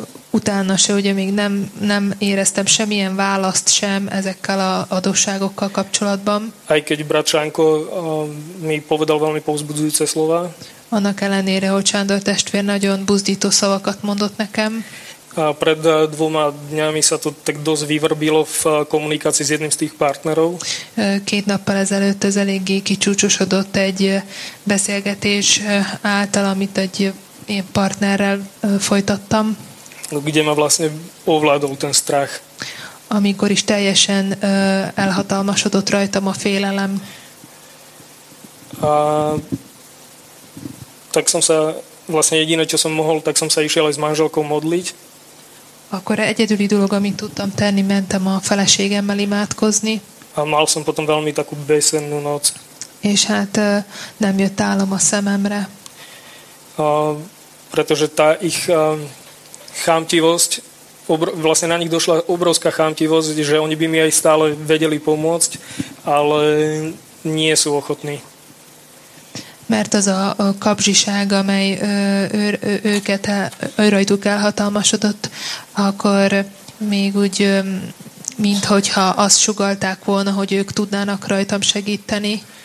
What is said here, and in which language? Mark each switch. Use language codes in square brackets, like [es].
[hu] Utána se, ugye, még nem éreztem semmilyen választ sem ezekkel a adósságokkal kapcsolatban. [sk] Aj keď brat Sánko mi povedal veľmi povzbudzujúce slova. [hu] Annak ellenére, hogy Sándor testvér nagyon buzdító szavakat mondott nekem. [sk] A pred dvoma dňami sa to tak dosť vyvrbilo v komunikácii s jedným z tých partnerov. [hu] Két nappal ezelőtt ez eléggé kicsúcsosodott egy beszélgetés által, amit egy ilyen partnerrel folytattam. [sk] Kde ma vlastne ovládol ten strach. [hu] Amikor is teljesen elhatalmasodott rajtam a félelem. [sk] A tak som sa, vlastne jediné, čo som mohol, tak som sa išiel aj s manželkou modliť. [hu] Akkor egyedüli dolog, amit tudtam tenni, mentem a feleségemmel imádkozni. [sk] A mal som potom veľmi takú besennú noc. [hu] És hát nem jött álom a szememre. [sk] Pretože tá ich chamtivosť, vlastne na nich došla obrovská chamtivosť, že oni by mi aj stále vedeli pomôcť, ale nie sú ochotní. [hu] Mert az a kapzsiság, amely őket rajtuk elhatalmasodott, akkor még úgy, minthogyha azt sugalták volna, hogy ők tudnának rajtam segíteni.